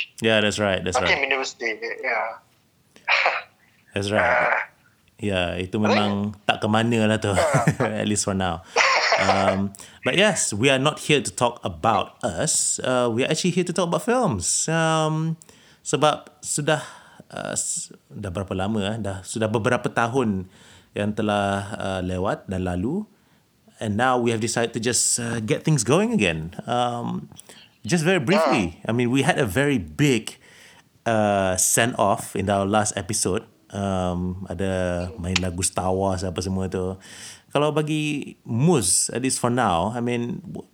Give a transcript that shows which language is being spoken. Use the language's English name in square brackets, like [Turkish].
[English] Yeah, that's right. That's Nottingham right. University, yeah. That's right. Yeah, [Malay] itu memang tak ke mana lah tu. [English] At least for now. But yes, we are not here to talk about us. We are actually here to talk about films. [Malay] Sebab sudah dah berapa lama, sudah beberapa tahun yang telah lewat dan lalu. [English] And now we have decided to just get things going again. Just very briefly. I mean, we had a very big send-off in our last episode. [Malay] Ada main lagu Star Wars apa semua tu. Kalau bagi Muz, [English] at least for now, I mean,